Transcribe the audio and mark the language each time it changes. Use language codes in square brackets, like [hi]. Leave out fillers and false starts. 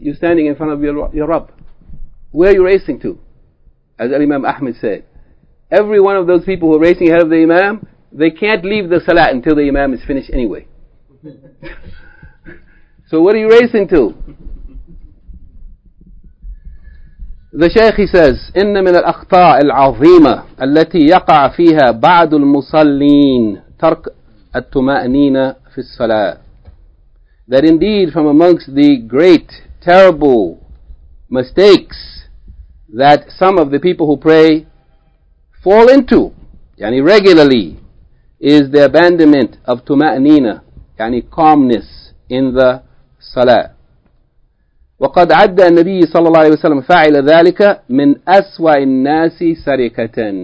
[en] You're standing in front of your Rabb. Where are you racing to? As Imam Ahmed said, every one of those people who are racing ahead of the imam, they can't leave the salat until the imam is finished anyway. So what are you racing to? [ar] The Shaykh, he says, إِنَّ مِنَ الْأَخْطَاءِ الْعَظِيمَةِ الَّتِي يَقَعَ فِيهَا بَعْدُ الْمُصَلِّينَ تَرْكَ التُمَأْنِينَ فِي الصَّلَاةِ. [en] That indeed, from amongst the great, terrible mistakes that some of the people who pray fall into, yani regularly, is the abandonment of tuma'nina, yani calmness in the salah. [ar] وقد عد النبي صلى الله عليه وسلم فعل ذلك من أسوأ الناس سرقة.